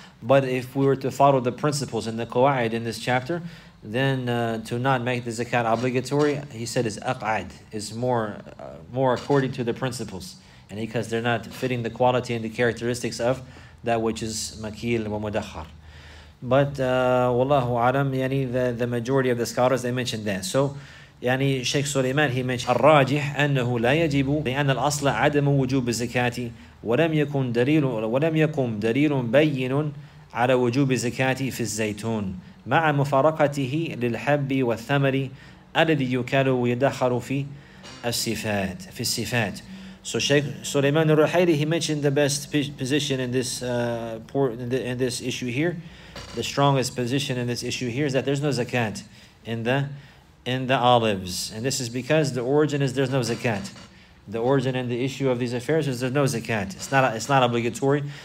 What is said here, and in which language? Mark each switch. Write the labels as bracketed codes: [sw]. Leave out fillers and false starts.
[en] But if we were to follow the principles and the qawaid in this chapter, then to not make the zakat obligatory, he said, is aq'ad, is more according to the principles. And because they're not fitting the quality and the characteristics of that which is makil wa mudakhar. But wallahu alam, yani the majority of the scholars, they mentioned that. So yani Sheikh Sulaiman, he mentioned [ar] الراجح أنه لا يجب لأن الأصل عدم وجوب الزكاة ولم يكن دليل بين على وجوب الزكاة في الزيتون مع مفارقته للحب والثمر الذي يكال ويدخر في الصفات. [en] So Sheikh Sulaiman al-Ruhayli, he mentioned the best position in this this issue here. The strongest position in this issue here is that there's no zakat in the olives. And this is because the origin is there's no zakat. The origin and the issue of these affairs is there's no zakat. It's not obligatory.